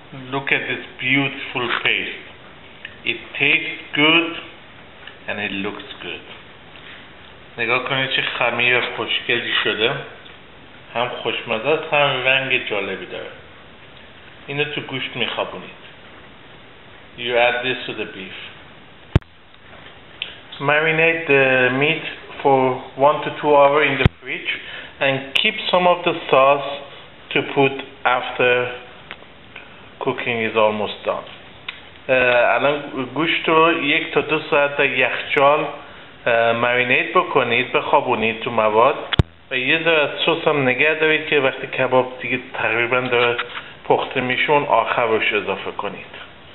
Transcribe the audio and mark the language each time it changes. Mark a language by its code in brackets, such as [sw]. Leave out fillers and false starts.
[en] Look at this beautiful paste. It tastes good and it looks good. [fa] نگاه کنید چه خمیر خوشگلی شده. هم خوشمزه است هم رنگ جالبی داره. اینو تو گوشت میخوابونید. [en] You add this to the beef. Marinate the meat for 1 to 2 hours in the fridge and keep some of the sauce to put after cooking is almost done. [fa] الان گوشت رو [en] 1 to 2 hours [fa] در یخچال مارینیت بکنید، بخوابونید تو مواد و یه ذره سس هم نگه دارید که وقتی کباب دیگه تقریبا داره پخته میشه اون آخر روش اضافه کنید.